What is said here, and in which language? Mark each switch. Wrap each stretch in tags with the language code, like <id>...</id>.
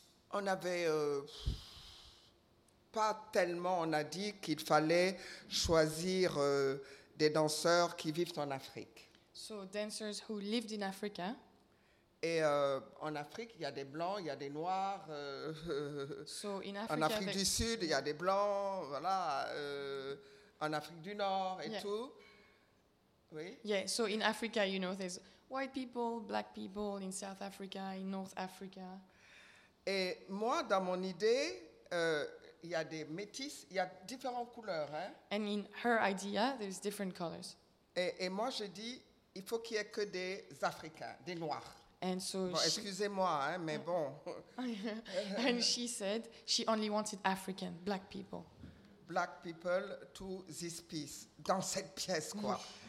<fr>On avait pas tellement, on a dit qu'il fallait choisir des danseurs qui vivent en Afrique.</fr> <en>So dancers who lived in Africa.</en> <fr>Et en Afrique, il y a des blancs, il y a des noirs.</fr> <en>So in Africa,</en> <fr>en Afrique du Sud, il y a des blancs, voilà. En Afrique du Nord et tout. Oui.</fr> <en>Yeah, so in Africa, you know, there's white people, black people in South Africa, in North Africa.</en> <fr>Et moi, dans mon idée, il y a des métis, il y a différentes couleurs. Hein?</fr> <en>And in her idea, there's different colors.</en> <fr>Et moi, je dis, il faut qu'il y ait que des Africains, des Noirs.</fr> <en>And so</en> <fr>bon, excusez-moi, hein, mais bon.</fr> <en>And she said she only wanted African, black people. Black people to this piece,</en> <fr>dans cette pièce, quoi.</fr>